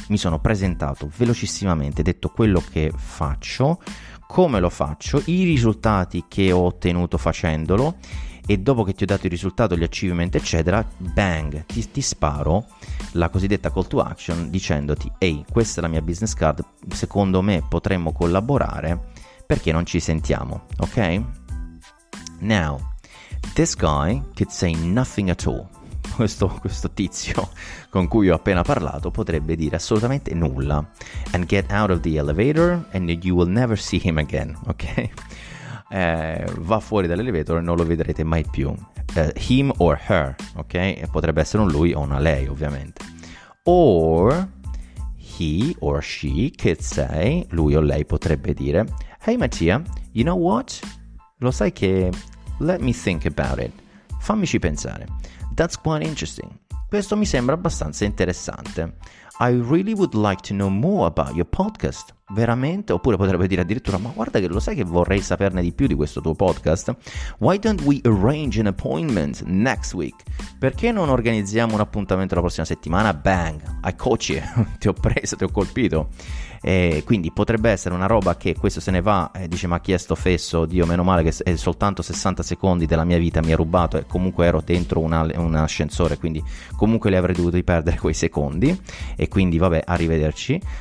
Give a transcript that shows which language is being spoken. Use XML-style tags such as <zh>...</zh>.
<it>Mi sono presentato velocissimamente, detto quello che faccio, come lo faccio, i risultati che ho ottenuto facendolo, e dopo che ti ho dato il risultato, gli achievement eccetera, bang, ti sparo la cosiddetta call to action dicendoti: ehi, questa è la mia business card, secondo me potremmo collaborare, perché non ci sentiamo, ok?</it> <en>Now, this guy could say nothing at all.</en> <it>Questo tizio con cui ho appena parlato potrebbe dire assolutamente nulla,</it> <en>and get out of the elevator and you will never see him again,</en> <it>ok? Va fuori dall'elevator e non lo vedrete mai più,</it> <en>him or her,</en> <it>ok? Potrebbe essere un lui o una lei, ovviamente.</it> <en>Or he or she could say,</en> <it>lui o lei potrebbe dire:</it> <en>hey Mattia, you know what?</en> <it>Lo sai che?</it> <en>Let me think about it,</en> <it>fammici pensare.</it> <en>That's quite interesting.</en> <it>Questo mi sembra abbastanza interessante.</it> <en>I really would like to know more about your podcast.</en> <it>Veramente? Oppure potrebbe dire addirittura: ma guarda che lo sai che vorrei saperne di più di questo tuo podcast?</it> <en>Why don't we arrange an appointment next week?</en> <it>Perché non organizziamo un appuntamento la prossima settimana? Bang!</it> <en>I caught you.</en> <it>Ti ho preso, ti ho colpito. E quindi potrebbe essere una roba che questo se ne va e dice: ma chi è sto fesso? Dio, meno male che è soltanto 60 secondi della mia vita mi ha rubato, e comunque ero dentro un ascensore, quindi comunque li avrei dovuti perdere quei secondi, e quindi vabbè, arrivederci.</it>